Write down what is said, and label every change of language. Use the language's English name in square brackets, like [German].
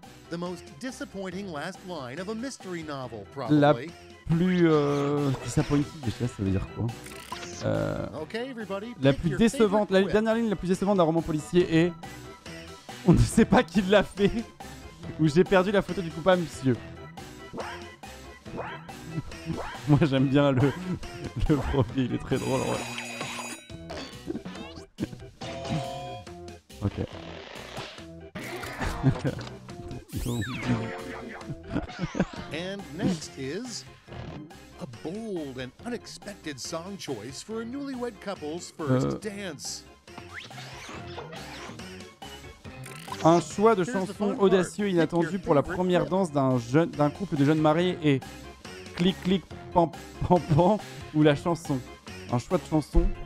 [English] The most disappointing last line of a mystery novel, probably. [French] La plus [English] disappointing, [French] je sais, ça veut dire quoi? [English] Okay, everybody, [French] la plus décevante, la dernière ligne la plus décevante d'un roman policier est on ne sait pas qui l'a fait ou j'ai perdu la photo du coupable, monsieur. Moi, j'aime bien le profil, il est très drôle. Ouais. Ok. [English] And next is a bold and unexpected song choice for a newlywed couple's first dance. [French] Un choix de chanson audacieux et inattendu pour la première danse d'un couple de jeunes mariés et clic clic pam pam pam ou la chanson. Un choix de chanson.